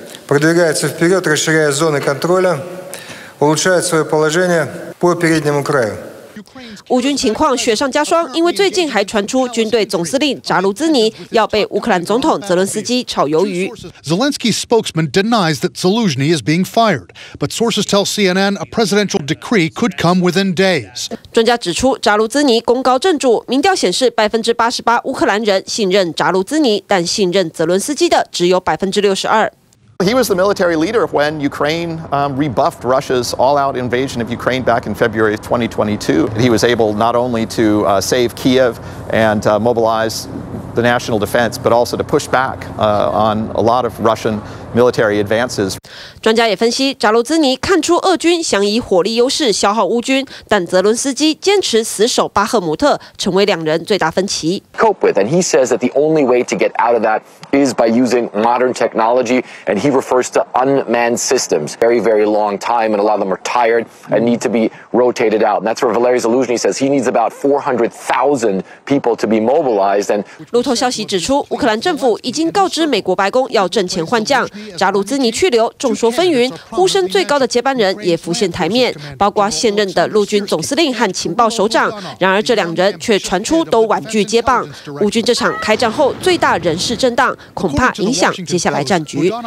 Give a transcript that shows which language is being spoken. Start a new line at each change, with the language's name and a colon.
Russian: продвигается вперед, расширяя зоны контроля, улучшает свое положение по переднему краю.
Chinese: 乌军情况雪上加霜，因为最近还传出军队总司令扎卢兹尼要被乌克兰总统泽伦斯基炒鱿鱼。
English: Zelensky's spokesman denies that Zelensky is being fired, but sources tell CNN a presidential decree could come within days.
Chinese: 专家指出，扎卢兹尼功高震主，民调显示88%乌克兰人信任扎卢兹尼，但信任泽伦斯基的只有62%。
English: He was the military leader when Ukraine rebuffed Russia's all-out invasion of Ukraine back in February of 2022. He was able not only to save Kiev and mobilize the national defense, but also to push back on a lot of Russian military advances.
Chinese: 专家也分析，扎卢兹尼看出俄军想以火力优势消耗乌军，但泽伦斯基坚持死守巴赫姆特，成为两人最大分歧。
English: Cope with, and he says that the only way to get out of that is by using modern technology, and he refers to unmanned systems. Very, very long time, and a lot of them are tired and need to be rotated out. And that's where Valery Zaluzhny says he needs about 400,000 people to be mobilized. And
Chinese: 路透消息指出，乌克兰政府已经告知美国白宫要挣钱换将。扎卢兹尼去留，众说纷纭，呼声最高的接班人也浮现台面，包括现任的陆军总司令和情报首长。然而这两人却传出都婉拒接棒。乌军这场开战后最大人事震荡，恐怕影响接下来战局。